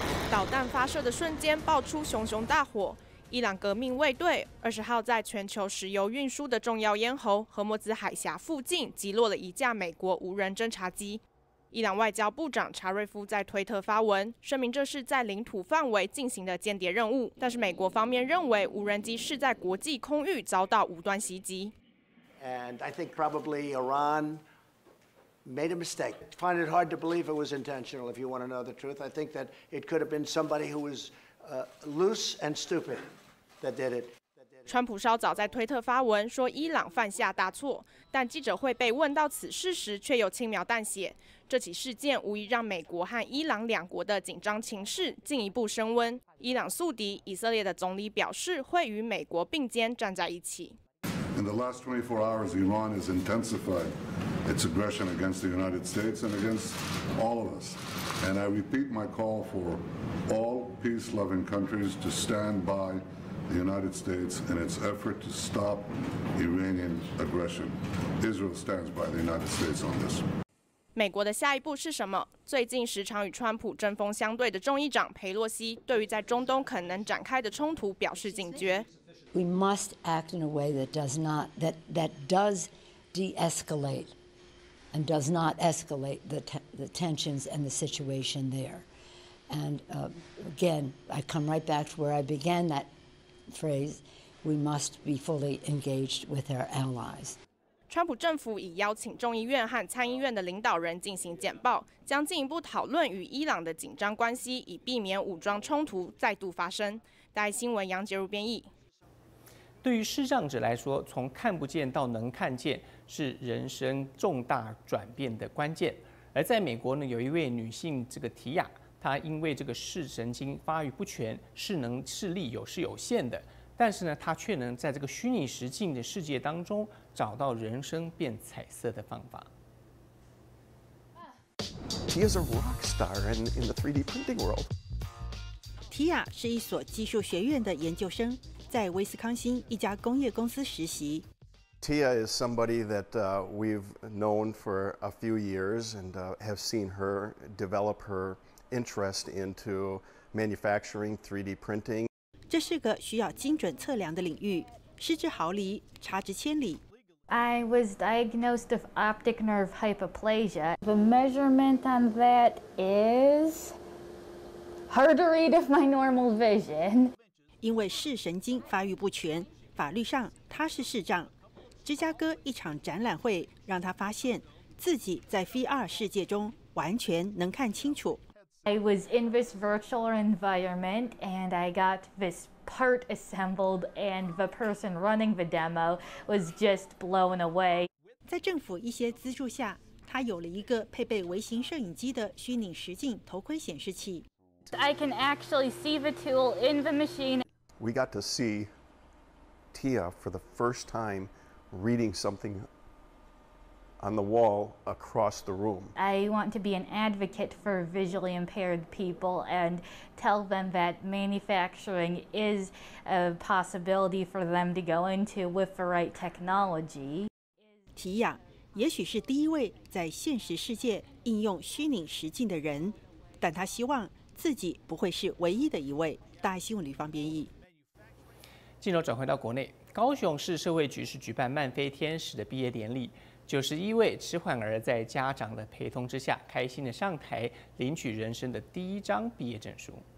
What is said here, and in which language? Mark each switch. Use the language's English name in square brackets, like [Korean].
[Chinese] 导弹发射的瞬间爆出熊熊大火，伊朗革命卫队二十号在全球石油运输的重要咽喉霍姆兹海峡附近击落了一架美国无人侦察机。伊朗外交部长查瑞夫在推特发文声明，这是在领土范围进行的间谍任务，但是美国方面认为无人机是在国际空域遭到无端袭击。 [English] And I think probably Iran made a mistake. I find it hard to believe it was intentional. If you want to know the truth, I think that it could have been somebody who was loose and stupid that did it. [Chinese] 川普稍早在推特发文说伊朗犯下大错，但记者会被问到此事时，却又轻描淡写。这起事件无疑让美国和伊朗两国的紧张情势进一步升温。伊朗宿敌以色列的总理表示，会与美国并肩站在一起。 [English] In the last 24 hours, Iran has intensified its aggression against the United States and against all of us. And I repeat my call for all peace-loving countries to stand by the United States in its effort to stop Iranian aggression. Israel stands by the United States on this. [Chinese] 美国的下一步是什么？最近时常与川普针锋相对的众议长佩洛西对于在中东可能展开的冲突表示警觉。 [English] We must act in a way that does not, that does de-escalate and does not escalate the tensions and the situation there. And again, I come right back to where I began that phrase, we must be fully engaged with our allies. [Chinese] 川普政府已邀请众议院和参议院的领导人进行简报，将进一步讨论与伊朗的紧张关系，以避免武装冲突再度发生。大爱新闻杨杰如编译。对于视障者来说，从看不见到能看见是人生重大转变的关键。而在美国呢，有一位女性这个提亚，她因为这个视神经发育不全，视力有限的，但是呢，她却能在这个虚拟实境的世界当中找到人生变彩色的方法。 [English] He is a rock star in the 3D printing world. [Chinese] 提亚是一所技术学院的研究生。在威斯康星一家工业公司实习。 [English] Tia is somebody that we've known for a few years and have seen her develop her interest into manufacturing 3D printing. [Chinese] 这是个需要精准测量的领域，失之毫厘，差之千里。 [English] I was diagnosed with optic nerve hypoplasia. The measurement on that is hard to read with my normal vision. [Chinese] 因为视神经发育不全，法律上他是视障。芝加哥一场展览会让他发现自己在 VR 世界中完全能看清楚。 [English] I was in this virtual environment and I got this part assembled and the person running the demo was just blown away. [Chinese] 在政府一些资助下，他有了一个配备微型摄影机的虚拟实境头盔显示器。 [English] I can actually see the tool in the machine. We got to see Tia for the first time reading something on the wall across the room. I want to be an advocate for visually impaired people and tell them that manufacturing is a possibility for them to go into with the right technology. [Chinese] Tia 也许是第一位在现实世界应用虚拟实境的人，但他希望自己不会是唯一的一位。大爱新闻吕方编译。镜头转回到国内，高雄市社会局是举办漫飞天使的毕业典礼，91位迟缓儿在家长的陪同之下，开心的上台领取人生的第一张毕业证书。